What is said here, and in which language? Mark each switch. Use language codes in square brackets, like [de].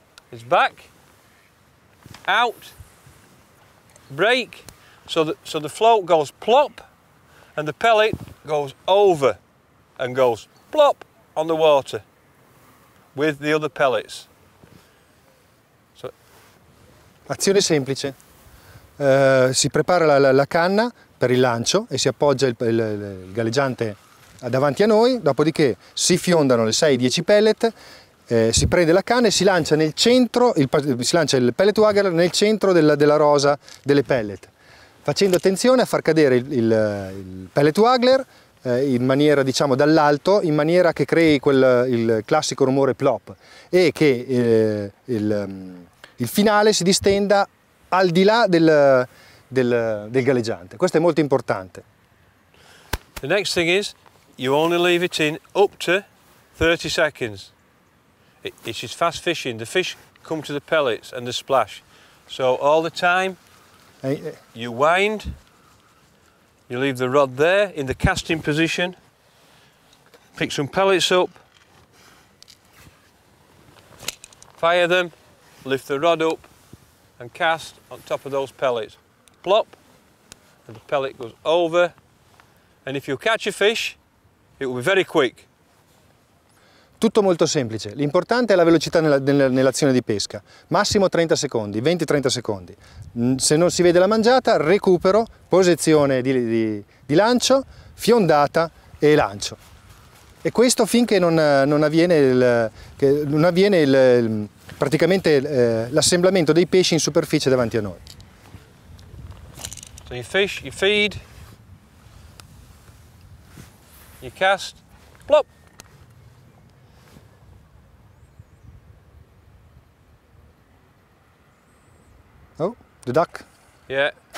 [en] It's back. Out. Break. So the float goes plop. And the pellet goes over and goes plop on the water with the other pellets. So. [it] Azione semplice. Si prepara la canna per il lancio e si appoggia il galleggiante davanti a noi, dopodiché si fiondano le 6-10 pellet, si prende la canna e si lancia nel centro, si lancia il pellet waggler nel centro della rosa delle pellet, facendo attenzione a far cadere il pellet waggler in maniera, diciamo, dall'alto, in maniera che crei il classico rumore plop e che il finale si distenda al di là del galleggiante. Questo è molto importante. [en] The next thing is you only leave it in up to 30 seconds. It is fast fishing. The fish come to the pellets and the splash. So all the time you wind, you leave the rod there in the casting position, pick some pellets up, fire them, lift the rod up and cast on top of those pellets. Plop, and the pellet goes over, and if you catch a fish, it will be very quick. [it] Tutto molto semplice, l'importante è la velocità nell'azione di pesca, massimo 30 secondi, 20-30 secondi. Se non si vede la mangiata, recupero, posizione di lancio, fiondata e lancio. E questo finché non avviene praticamente l'assemblamento dei pesci in superficie davanti a noi. [en] So you fish, you feed, you cast, plop. Oh, the duck. Yeah.